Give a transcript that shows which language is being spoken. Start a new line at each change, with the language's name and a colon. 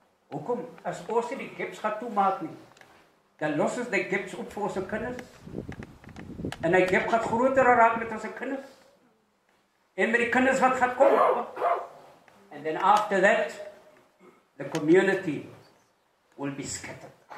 Afrikaans: Hoekom, as ons nie die gaps gaan toemaak nie, dan los ons die gaps op vir ons kinders. En die gap gaat groter raak met ons kinders. En met die kinders wat gaat kom.
English: And then after that, the community will be scattered.